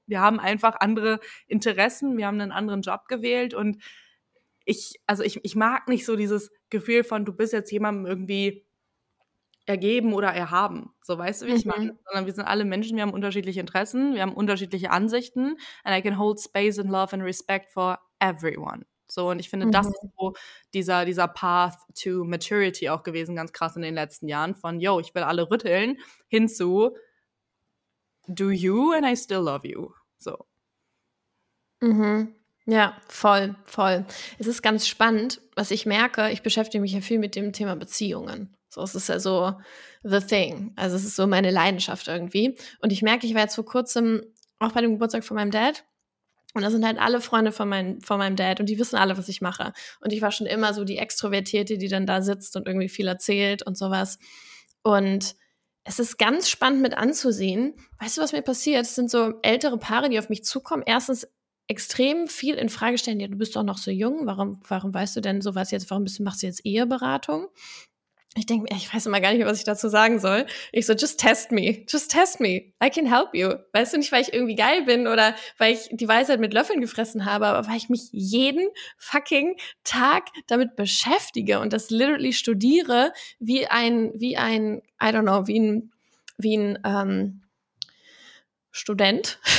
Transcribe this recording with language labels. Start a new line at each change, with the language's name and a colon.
German: Wir haben einfach andere Interessen, wir haben einen anderen Job gewählt und Ich mag nicht so dieses Gefühl von, du bist jetzt jemandem irgendwie ergeben oder erhaben. So, weißt du, wie ich meine? Sondern wir sind alle Menschen, wir haben unterschiedliche Interessen, wir haben unterschiedliche Ansichten.
English: And I can hold space and love and respect for everyone.
German: So, und ich finde, das ist so dieser
English: Path to Maturity
German: auch gewesen, ganz krass in den letzten Jahren. Von, yo, ich will alle rütteln, hin zu,
English: do you and I still love you.
German: So. Ja, voll, voll. Es ist ganz spannend, was ich merke, ich beschäftige mich ja viel mit dem Thema Beziehungen. So, es ist ja so
English: the thing.
German: Also es ist so meine Leidenschaft irgendwie. Und ich merke, ich war jetzt vor kurzem auch bei dem Geburtstag von meinem Dad. Und da sind halt alle Freunde von meinem Dad und die wissen alle, was ich mache. Und ich war schon immer so die Extrovertierte, die dann da sitzt und irgendwie viel erzählt und sowas. Und es ist ganz spannend mit anzusehen. Weißt du, was mir passiert? Es sind so ältere Paare, die auf mich zukommen. Erstens extrem viel in Frage stellen, ja, du bist doch noch so jung, warum weißt du denn sowas jetzt, machst du jetzt Eheberatung? Ich denke, ich weiß immer gar nicht, was ich dazu sagen soll. Ich so,
English: just test me, I can help you.
German: Weißt du, nicht, weil ich irgendwie geil bin oder weil ich die Weisheit mit Löffeln gefressen habe, aber weil ich mich jeden fucking Tag damit beschäftige und das literally studiere, wie ein Student.